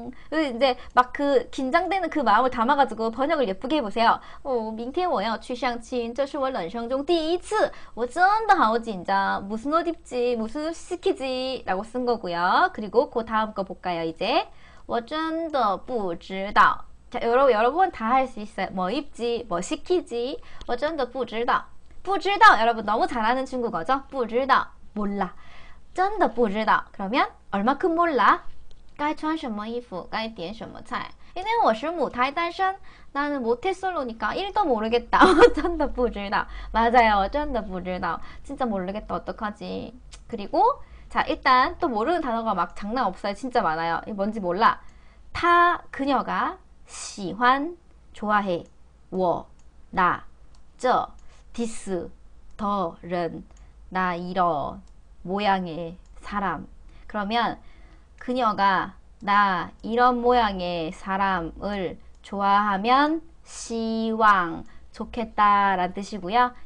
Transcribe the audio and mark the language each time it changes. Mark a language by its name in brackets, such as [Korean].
[Korean] 이제 막그 긴장되는 그 마음을 담아가지고 번역을 예쁘게 해보세요. [Chinese] 明天我要去相亲，这是我人生中第一次，我真的好紧张。 [Korean] 무슨옷 입지？ 무슨 옷 시키지？라고 쓴 거고요. 그리고 그 다음 거 볼까요? 이제 [Chinese] 我真的不知道。 [Korean] 자, 여러분 다할수 있어요. 뭐 입지？ 뭐 시키지？ [Chinese] 我真的不知道。不知道， [Korean] 여러분 너무 잘하는 중국어죠？ [Chinese] 不知道， [Korean] 몰라。 [Chinese] 真的不知道。 [Korean] 그러면 얼마큼 몰라？ [Chinese] 该穿什么衣服？该点什么菜？因为我是母胎单身， [Korean] 나는모태솔로니까일도모르겠다 [Chinese] 真的不知道。 [Korean] 맞아요 [Chinese] 真的不知道。 [Korean] 진짜모르겠다어떡하지？ 그리고자일단또모르는단어가막장난없어요진짜많아요이게뭔지몰라他그녀가喜欢좋아해我나这 this 더人나이런모양의사람그러면그녀가나 이런 모양의 사람을 좋아하면 시왕 좋겠다라는 뜻이고요.